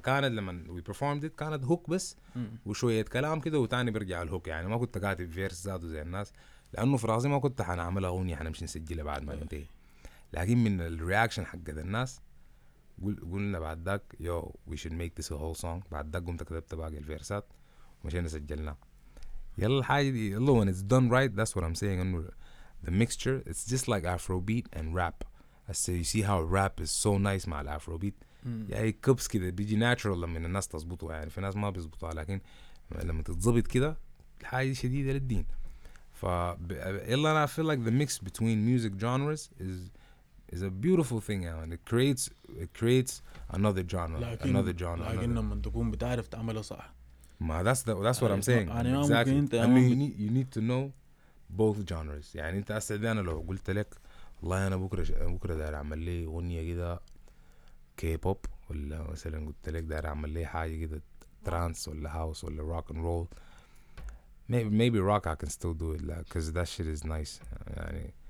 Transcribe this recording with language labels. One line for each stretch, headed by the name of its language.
Arabic: كانت لما وي بيرفورمد كانت هوك بس وشويه كلام كده وتاني برجع الهوك يعني. ما كنت كاتب فيرس زاد زي الناس لانه في راسي ما كنت حنعمل اغنيه حنمشي نسجلها بعد ما ننتهي. لكن من الرياكشن حق الناس قلنا بعد ذاك
English: You we should make this whole song.
Arabic: بعد ذاك قمت كتبت باقي الفيرسات ومشينا سجلنا. يلا الحاجه دي يلا
English: when it's done right that's what I'm saying.
Arabic: انه
English: the mixture it's just like afrobeat and rap. I say you see how rap is so nice
Arabic: مع الافروبيت يعني كبس كده بيجي
English: natural
Arabic: لما الناس تظبطه يعني. في ناس ما بيظبطها لكن لما تتظبط كده الحاجه شديده للدين. ف يلا انا
English: feel like the mix between music genres is a beautiful thing
Arabic: يعني.
English: it creates another genre
Arabic: لكن,
English: another genre
Arabic: لكن لما تكون بتعرف تعملها صح ما
English: that's what I'm saying
Arabic: يعني
English: exactly.
Arabic: انت
English: I mean, you need to know both genres
Arabic: يعني. انت استاذ انا لو قلت لك والله انا بكره داير اعمل لي اغنيه كده كي بوب, ولا مثلا قلت لك داير اعمل لي حاجه كده ترانس ولا هاوس ولا روك اند رول,
English: maybe rock I can still do it because that shit is nice
Arabic: يعني.